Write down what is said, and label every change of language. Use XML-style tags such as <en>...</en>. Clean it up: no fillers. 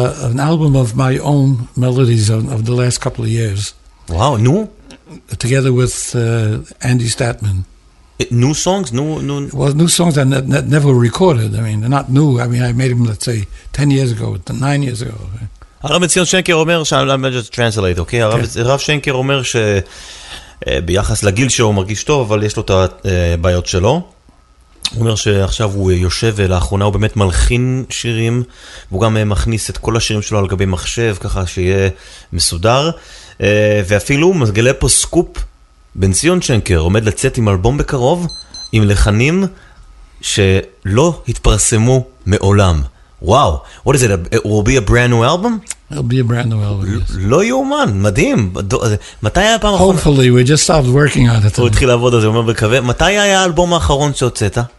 <en>An album of my own melodies of the last couple of years. Wow, new? Together with Andy Statman. New songs? No. Well, new songs I never recorded. I mean, they're not new. I mean, I made them, let's say, 10 years ago, 9 years ago.</en> <he>הרב ציון שנקר אומר,</he> <en>I'm just translate, okay?</en> <he>הרב שנקר אומר שביחס לגיל שהוא מרגיש טוב, אבל יש לו את הבעיות שלו. הוא אומר שעכשיו הוא יושב לאחרונה, הוא באמת מלחין שירים, והוא גם מכניס את כל השירים שלו על גבי מחשב, ככה שיהיה מסודר. ואפילו מגלה פה סקופ, בן ציון שנקר עומד לצאת עם אלבום בקרוב עם לחנים שלא התפרסמו מעולם.</he> <en>וואו, what is it? It will be a brand new album? It'll be a brand new album, yes.</en> <he>לא יאומן, מדהים. מתי היה הפעם האחרונה?</he> <en>Hopefully, we just stopped working on it.</en> <he>הוא התחיל לעבוד על זה, הוא אומר בקווה. מתי היה האלבום האחרון שהוצאת?</he>